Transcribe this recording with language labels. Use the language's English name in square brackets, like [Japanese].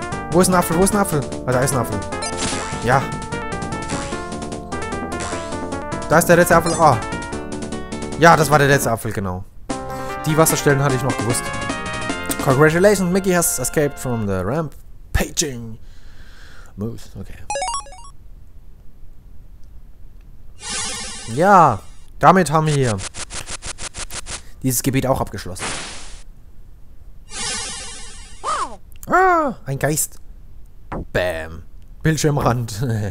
[German] Wo ist ein Apfel, wo ist ein Apfel? Ah, da ist ein Apfel. Ja. Da ist der letzte Apfel. Oh. Ja, das war der letzte Apfel, genau. Die Wasserstellen hatte ich noch gewusst. [English] Congratulations, Mickey has escaped from the rampaging moose. Okay. [German] Ja, damit haben wir dieses Gebiet auch abgeschlossen. Ah, ein Geist. Bam. Bildschirmrand.